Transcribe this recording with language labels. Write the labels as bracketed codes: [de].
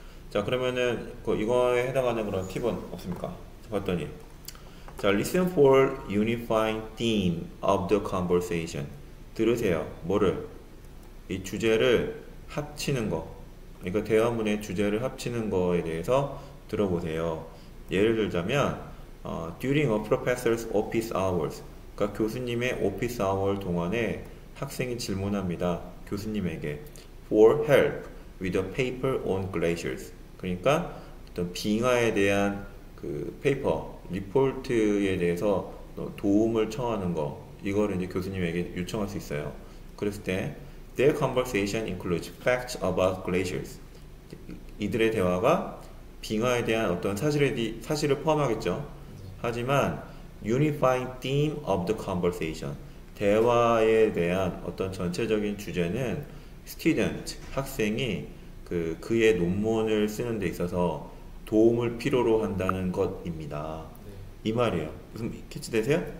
[ko] 자, 그러면은 이거에 해당하는 그런 팁은 없습니까? [en] 봤더니, 자, listen for unifying theme of the conversation. [ko] 들으세요. 뭐를? 이 주제를 합치는 거. 그러니까 대화문의 주제를 합치는 거에 대해서 들어보세요. 예를 들자면, [en] during a professor's office hours. [ko] 그러니까 교수님의 office hour 동안에 학생이 질문합니다. 교수님에게. [en] For help with a paper on glaciers. [ko] 그러니까 어떤 빙하에 대한 그 페이퍼, 리포트에 대해서 도움을 청하는 거, 이거를 이제 교수님에게 요청할 수 있어요. 그랬을 때, [en] their conversation includes facts about glaciers. [ko] 이들의 대화가 빙하에 대한 어떤 사실을 포함하겠죠. 하지만 [en] unifying theme of the conversation, [ko] 대화에 대한 어떤 전체적인 주제는 student, 학생이 그의 논문을 쓰는 데 있어서 도움을 필요로 한다는 것입니다. 이 말이에요. 무슨 캐치되세요?